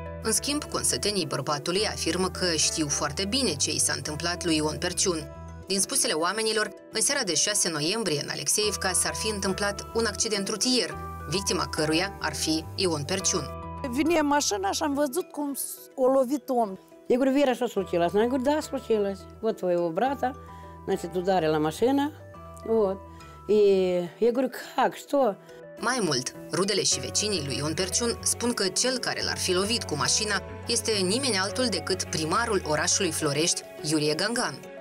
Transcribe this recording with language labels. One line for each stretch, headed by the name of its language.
Romanian: În schimb, consătenii bărbatului afirmă că știu foarte bine ce i s-a întâmplat lui Ion Perciun. Din spusele oamenilor, în seara de 6 noiembrie în Alexeievca s-ar fi întâmplat un accident rutier, victima căruia ar fi Ion Perciun. Vine mașina și am văzut cum a lovit om.
Russian: Я говорю, Вера, что случилось? Она говорит, да, случилось. Вот твоего брата, значит, ударила машина. Вот. И я говорю, как, что?
Romanian: Mai mult, rudele și vecinii lui Ion Perciun spun că cel care l-ar fi lovit cu mașina este nimeni altul decât primarul orașului Florești, Iurie Gangan.